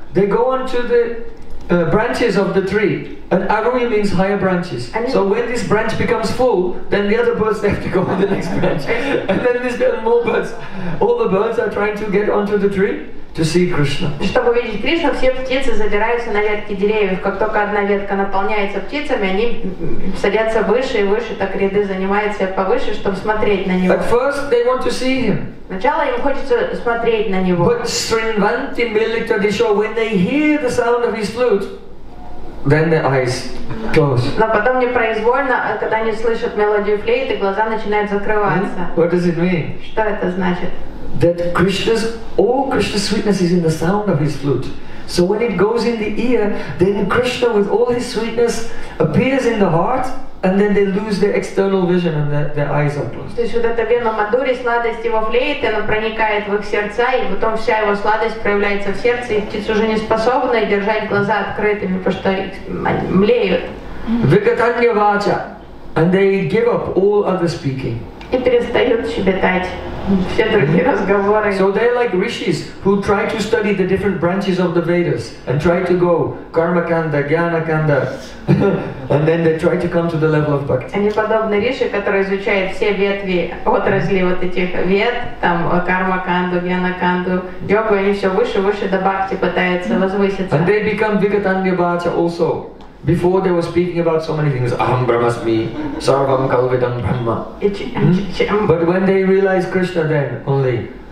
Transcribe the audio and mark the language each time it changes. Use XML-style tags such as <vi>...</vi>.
<en>They go on to the branches of the tree. And aruya means higher branches. So when this branch becomes full, then the other birds have to go on the next branch. And then there's still more birds. All the birds are trying to get onto the tree to see Krishna.</en> <ru>Чтобы увидеть Кришну, все птицы забираются на ветки деревьев. Как только одна ветка наполняется птицами, они садятся выше и выше, так ряды занимаются повыше, чтобы смотреть на него.</ru> <en>At first they want to see him.</en> <ru>Сначала им хочется смотреть на него.</ru> <en>But</en> <sa>Srinvanti Milita Disho,</sa> <en>when they hear the sound of his flute, then their eyes close.</en> <ru>Но потом непроизвольно, когда они слышат мелодию флейты, глаза начинают закрываться.</ru> <en>What does it mean?</en> <ru>Что это значит?</ru> <en>That all Krishna's sweetness is in the sound of his flute. So when it goes in the ear, then Krishna with all his sweetness appears in the heart, and then they lose their external vision and their eyes are closed.</en> <ru>То есть вот эта вена мадури, сладость его флейты, она проникает в их сердца, и потом вся его сладость проявляется в сердце, и птицы уже не способны держать глаза открытыми, потому что они млеют.</ru> <en>Vikatanya vacha, and they give up all other speaking.</en> <ru>И перестают щебетать. Все другие разговоры.</ru> <en>So they're like rishis who try to study the different branches of the Vedas and try to go karma kanda, jnana kanda, and then they try to come to the level of bhakti.</en> <ru>Они подобны риши, которые изучают все ветви отрасли вот этих вет, там карма канду, jnana kanda, йогу, они все выше, выше до бхакти пытаются возвыситься.</ru> <en>And they become vikatanya bhacha also. Before they were speaking about so many things,</en> <sa>Aham Brahmasmi, Sarvam Kalvidam Brahma.</sa> <en>But when they realize Krishna then only,</en>